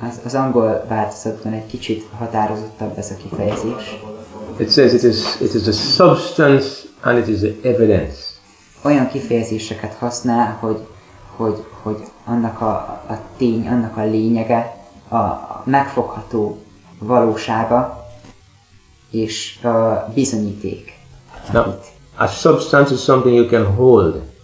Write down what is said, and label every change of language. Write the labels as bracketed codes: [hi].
[hu] Az angol változatban egy kicsit határozottabb ez a kifejezés. [en] It says it is the substance and it is the evidence. [hu] Olyan kifejezéseket használ, hogy annak a tény, annak a lényege, a megfogható valósága és a bizonyíték. [en] Now, a substance is something you can hold.